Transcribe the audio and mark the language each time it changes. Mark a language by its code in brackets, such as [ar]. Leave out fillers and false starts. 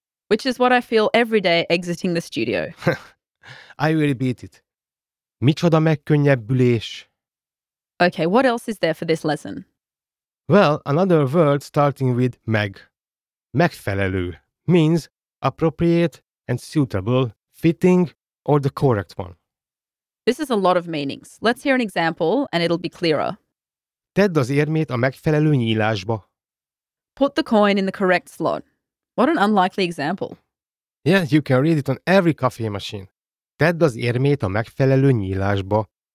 [en] Which is what I feel every day exiting the studio. I will repeat it. [hu] Micsoda megkönnyebbülés? [en] Okay, what else is there for this lesson? Well, another word starting with meg. Megfelelő means appropriate and suitable, fitting, or the correct one. This is a lot of meanings. Let's hear an example and it'll be clearer. [hu] Tedd az érmét a megfelelő nyílásba. [en] Put the coin in the correct slot. What an unlikely example. Yeah, you can read it on every coffee machine. [hu] Tedd az érmét a megfelelő nyílásba.